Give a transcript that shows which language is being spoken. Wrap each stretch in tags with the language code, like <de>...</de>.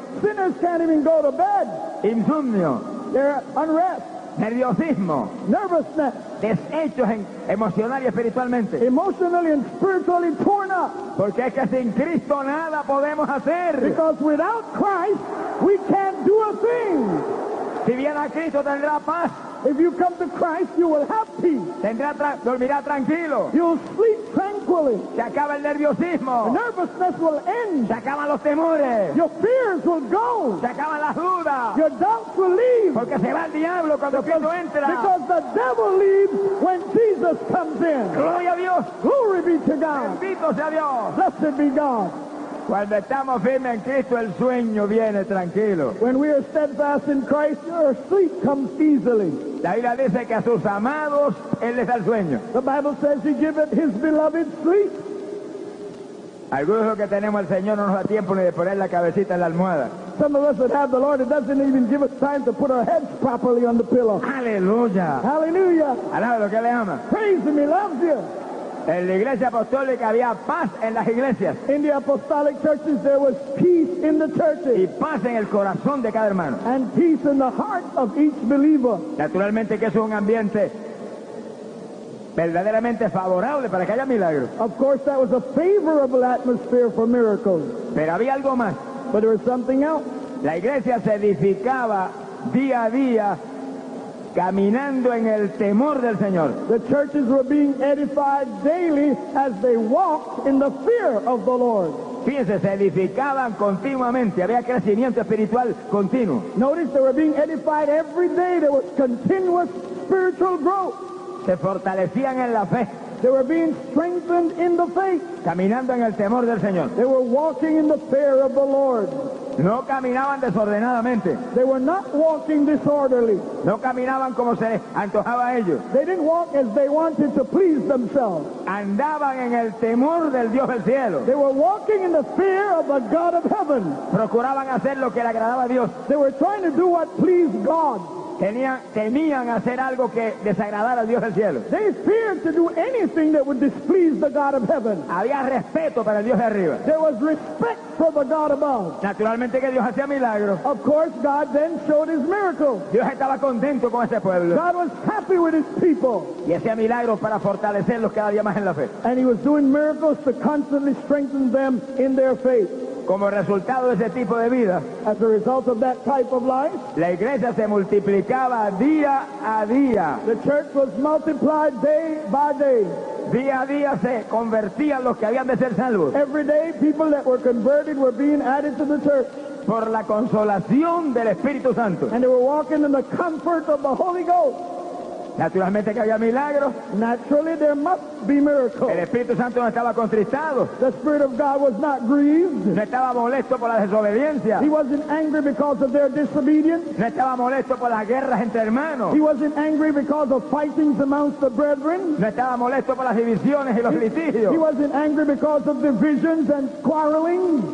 <en>Sinners can't even go to bed.</en> <es>Insomnio.</es> <en>They're unrest.</en> <es>Nerviosismo.</es> <en>Nervousness.</en> <es>Deshechos emocional y espiritualmente.</es> <en>Emotionally and spiritually torn up.</en> <es>Porque es que sin Cristo nada podemos hacer.</es> <en>Because without Christ, we can't do a thing.</en> <es>Si viene a Cristo tendrá paz.</es> <en>If you come to Christ, you will have peace.</en> <es>Dormirá tranquilo.</es> <en>You'll sleep tranquilly.</en> <es>Se acaba el nerviosismo.</es> <en>The nervousness will end.</en> <es>Se acaban los temores.</es> <en>Your fears will go.</en> <es>Se acaban las dudas.</es> <en>Your doubts will leave.</en> <es>Porque se va el diablo cuando Cristo entra.</es> <en>Because the devil leaves when Jesus comes in.</en> <es>Gloria a Dios.</es> <en>Glory be to God.</en> <es>Bendito sea Dios.</es> <en>Blessed be God.</en> <es>Cuando estamos firmes en Cristo, el sueño viene tranquilo.</es> <en>When we are steadfast in Christ, our sleep comes easily.</en> <es>La Biblia dice que a sus amados él les da el sueño.</es> <en>The Bible says he giveth his beloved sleep.</en> <es>Algunos de los que tenemos al Señor no nos da tiempo ni de poner la cabecita en la almohada.</es> <en>Some of us that have the Lord, it doesn't even give us time to put our heads properly on the pillow.</en> <es>Hallelujah.</es> <en>Hallelujah.</en> <es>Alábalo, que le ama.</es> <en>Praise him, he loves you.</en> <es>En la iglesia apostólica había paz en las iglesias.</es> <en>In the apostolic churches there was peace in the churches.</en> <es>Y paz en el corazón de cada hermano.</es> <en>And peace in the heart of each believer.</en> <es>Naturalmente que es un ambiente verdaderamente favorable para que haya milagros.</es> <en>Of course that was a favorable atmosphere for miracles.</en> <es>Pero había algo más.</es> <en>But there was something else.</en> <es>La iglesia se edificaba día a día caminando en el temor del Señor.</es> <en>The churches were being edified daily as they walked in the fear of the Lord.</en> <es>Fíjense, se edificaban continuamente. Había crecimiento espiritual continuo.</es> <en>Notice they were being edified every day. There was continuous spiritual growth.</en> <es>Se fortalecían en la fe.</es> <en>They were being strengthened in the faith.</en> <es>Caminando en el temor del Señor.</es> <en>They were walking in the fear of the Lord.</en> <es>No caminaban desordenadamente.</es> <en>They were not walking disorderly.</en> <es>No caminaban como se les antojaba a ellos.</es> <en>They didn't walk as they wanted to please themselves.</en> <es>Andaban en el temor del Dios del cielo.</es> <en>They were walking in the fear of the God of heaven.</en> <es>Procuraban hacer lo que le agradaba a Dios.</es> <en>They were trying to do what pleased God.</en> <es>Temían hacer algo que desagradara al Dios del cielo.</es> <en>They feared to do anything that would displease the God of heaven.</en> <es>Había respeto para el Dios de arriba.</es> <en>There was respect for the God above.</en> <es>Naturalmente que Dios hacía milagros.</es> <en>Of course, God then showed his miracles.</en> <es>Dios estaba contento con ese pueblo.</es> <en>God was happy with his people.</en> <es>Y hacía milagros para fortalecerlos cada día más en la fe.</es> <en>And he was doing miracles to constantly strengthen them in their faith.</en> <es>Como resultado de ese tipo de vida,</es> <en>as a result of that type of life,</en> <es>la iglesia se multiplicaba día a día.</es> <en>The church was multiplied day by day.</en> <es>Día a día se convertían los que habían de ser salvos.</es> <en>Every day, people that were converted were being added to the church.</en> <es>Por la consolación del Espíritu Santo.</es> <en>And they were walking in the comfort of the Holy Ghost.</en> <es>Naturalmente que había milagros.</es> <en>Naturally there must be miracles.</en> <es>El Espíritu Santo no estaba contristado.</es> <en>The Spirit of God was not grieved.</en> <es>No estaba molesto por la desobediencia.</es> <en>He wasn't angry because of their disobedience.</en> <es>No estaba molesto por las guerras entre hermanos.</es> <en>He wasn't angry because of fightings amongst the brethren.</en> <es>No estaba molesto por las divisiones y los litigios.</es> <en>He wasn't angry because of divisions and quarreling.</en>